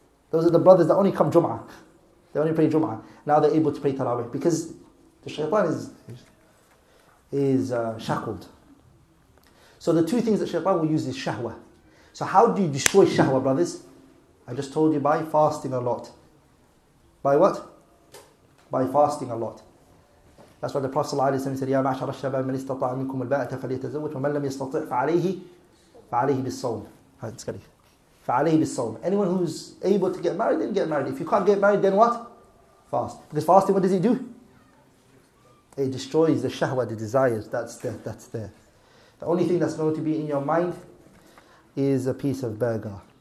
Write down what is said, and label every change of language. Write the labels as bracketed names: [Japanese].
[English] Those are the brothers that only come Jum'ah. They only pray Jum'ah. Now they're able to pray Taraweeh because the shaitan is shackled. So the two things that shaitan will use is shahwa. So how do you destroy shahwa, brothers? I just told you, by fasting a lot. By what? By fasting a lot. [Arabic] That's why the Prophet ﷺ said, يَا مَعْشَرَ الشَّبَابِ مَنْ إِسْتَطَعَ مِنْكُمُ الْبَاءَةَ فَلِيَتَزَوَّجْ وَمَنْ لَمْ يَسْتَطِعْ فَعَلَيْهِ بِالصَّوْمِ. فَعَلَيْهِ بِالصَّوْمِ. [English] Anyone who's able to get married, then get married. If you can't get married, then what? Fast. Because fasting, what does it do? It destroys the shahwa, the desires. That's there. The only thing that's going to be in your mind is a piece of burger.